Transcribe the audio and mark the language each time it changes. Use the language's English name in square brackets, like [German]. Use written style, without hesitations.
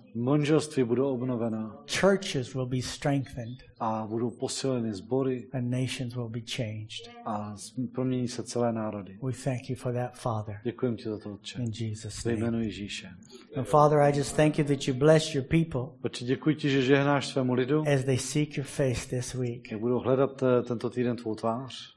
[Czech] Manželství budou obnovena. [English] Churches will be strengthened. [Czech] A budou posíleny sbory. [English] And nations will be changed. [Czech] A promění se celé národy. [English] We thank you for that, Father. [Czech] Děkujem ti za to, Otče. [English] In Jesus' name. [Czech] Ve jménu Ježíše. [English] And Father, I just thank you that you bless your people. [Czech] Otče, děkuji ti, že žehnáš svému lidu. [English] As they seek your face this week. [Czech] Jak budou hledat tento týden tvou tvář.